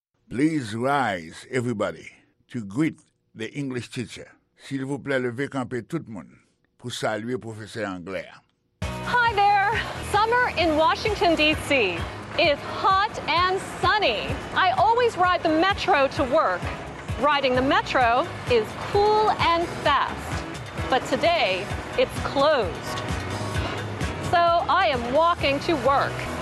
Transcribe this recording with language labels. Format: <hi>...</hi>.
<en>Please rise, everybody, to greet the English teacher.</en> <fr>S'il vous plaît, levez campé tout le monde pour saluer professeur anglais.</fr> <en>Hi there! Summer in Washington, D.C. is hot and sunny. I always ride the metro to work. Riding the metro is cool and fast, but today it's closed. So I am walking to work.</en>